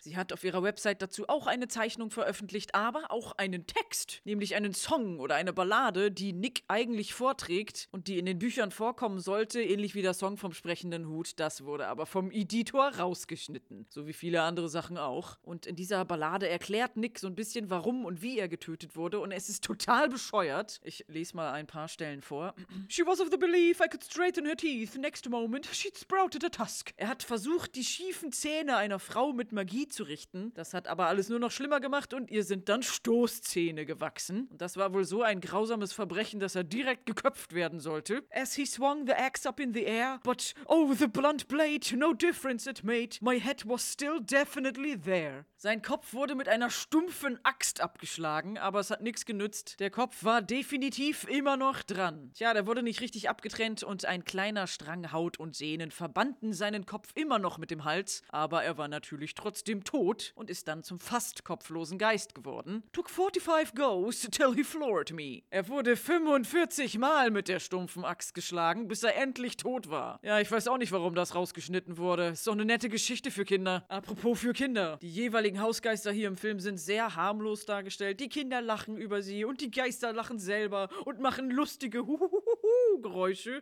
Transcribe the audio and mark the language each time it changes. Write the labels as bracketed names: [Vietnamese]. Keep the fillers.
[German] Sie hat auf ihrer Website dazu auch eine Zeichnung veröffentlicht, aber auch einen Text, nämlich einen Song oder eine Ballade, die Nick eigentlich vorträgt und die in den Büchern vorkommen sollte, ähnlich wie der Song vom sprechenden Hut. Das wurde aber vom Editor rausgeschnitten, so wie viele andere Sachen auch. Und in dieser Ballade erklärt Nick so ein bisschen, warum und wie er getötet wurde. Und es ist total bescheuert. Ich lese mal ein paar Stellen vor. [English] She was of the belief I could straighten her teeth. Next moment she'd sprouted a tusk. [German] Er hat versucht, die schiefen Zähne einer Frau mit Magie zu richten. Das hat aber alles nur noch schlimmer gemacht und ihr sind dann Stoßzähne gewachsen. Und das war wohl so ein grausames Verbrechen, dass er direkt geköpft werden sollte. [English] As he swung the axe up in the air, but oh, the blunt blade, no difference it made. My head was still definitely there. [German] Sein Kopf wurde mit einer stumpfen Axt abgeschlagen, aber es hat nichts genützt. Der Kopf war definitiv immer noch dran. Tja, der wurde nicht richtig abgetrennt und ein kleiner Strang Haut und Sehnen verbanden seinen Kopf immer noch mit dem Hals, aber er war natürlich trotzdem tot und ist dann zum fast kopflosen Geist geworden. [English] Took 45 goes till he floored me. [German] Er wurde 45 Mal mit der stumpfen Axt geschlagen, bis er endlich tot war. Ja, ich weiß auch nicht, warum das rausgeschnitten wurde. Ist doch eine nette Geschichte für Kinder. Apropos für Kinder. Die jeweiligen Hausgeister hier im Film sind sehr harmlos dargestellt. Die Kinder lachen über sie und die Geister lachen selber und machen lustige Huhuhuhu-Geräusche.